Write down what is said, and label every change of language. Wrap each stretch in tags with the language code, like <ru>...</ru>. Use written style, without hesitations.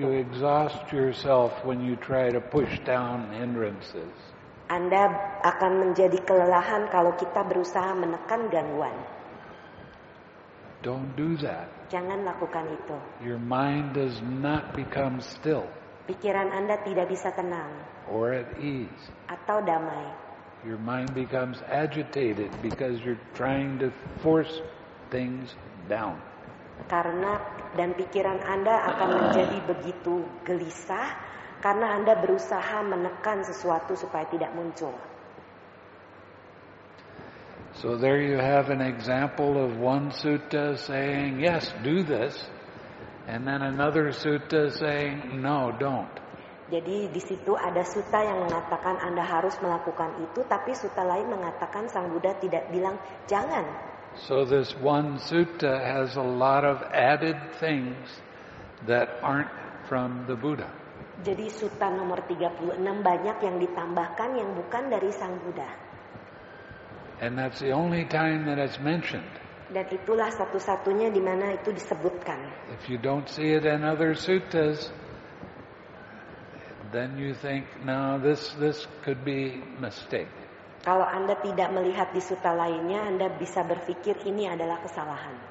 <en>You exhaust yourself when you try to push down hindrances.</en> <id>Anda akan menjadi kelelahan kalau kita berusaha menekan gangguan.</id> <en>Don't do that.</en> <id>Jangan lakukan itu.</id> <en>Your mind does not become still.</en> <id>Pikiran Anda tidak bisa tenang.</id> <en>Or at ease.</en> <id>Atau damai.</id> <en>Your mind becomes agitated because you're trying to force things down.</en> <id>Karena dan pikiran Anda akan menjadi begitu gelisah karena Anda berusaha menekan sesuatu supaya tidak muncul.</id> <en>So there you have an example of one sutta saying, yes, do this. And then another sutta saying, no, don't.</en> <id>Jadi di situ ada sutta yang mengatakan Anda harus melakukan itu, tapi sutta lain mengatakan Sang Buddha tidak bilang jangan.</id> <en>So this one sutta has a lot of added things that aren't from the Buddha.</en> <id>Jadi sutta nomor 36 banyak yang ditambahkan yang bukan dari Sang Buddha.</id> <en>And that's the only time that it's mentioned.</en> <id>Dan itulah satu-satunya di mana itu disebutkan.</id> <en>If you don't see it in other suttas, then you think, now this could be mistake.</en> <id>Kalau Anda tidak melihat di sutta lainnya, Anda bisa berpikir ini adalah kesalahan.</id>